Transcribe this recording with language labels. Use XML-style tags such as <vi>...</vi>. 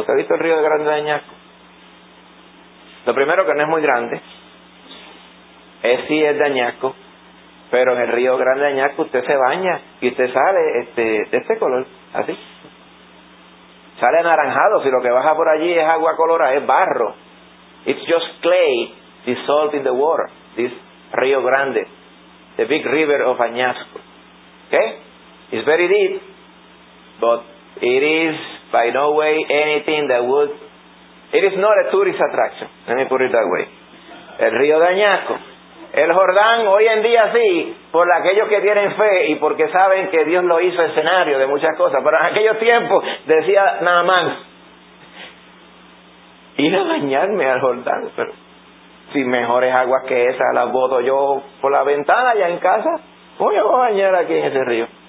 <es>¿Usted ha visto el río Grande de Añasco? Lo primero, que no es muy grande. Es, sí, es de Añasco. Pero en el río Grande de Añasco usted se baña y usted sale de este color, así. Sale anaranjado. Si lo que baja por allí es agua colorada, es barro.</es> <en>It's just clay dissolved in the water, this río grande, the big river of Añasco. ¿Qué? Okay? It's very deep, but it is by no way anything that would... It is not a tourist attraction. Let me put it that way.</en> <es>El río de Añasco. El Jordán, hoy en día sí, por aquellos que tienen fe y porque saben que Dios lo hizo escenario de muchas cosas. Pero en aquellos tiempos, decía Naamán, ir a bañarme al Jordán, pero si mejores aguas que esas las boto yo por la ventana allá en casa, voy a bañar aquí en ese río.</es>